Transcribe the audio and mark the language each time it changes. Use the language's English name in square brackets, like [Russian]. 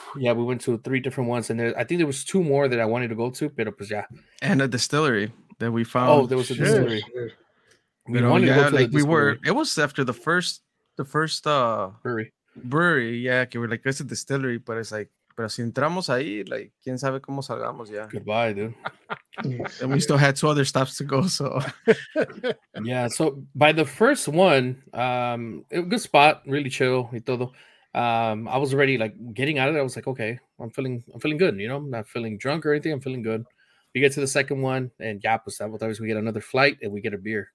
[English] Yeah, we went to three different ones, and I think there was two more that I wanted to go to, [Spanish] pero pues [English] yeah. And a distillery that we found. Oh, there was a distillery. It was after the first brewery. Yeah, que we're like, it's a distillery, but it's like. [Spanish] Pero si entramos ahí, like, quién sabe cómo salgamos ya. [English] Goodbye, dude. And we still had two other stops to go, so. Yeah, so by the first one, it was a good spot, really chill [Spanish] y todo. [English] I was already, like, getting out of there. I was like, okay, I'm feeling good, you know? I'm not feeling drunk or anything. I'm feeling good. We get to the second one, and yeah, [Spanish] pues, [English] that was, we get another flight, and we get a beer.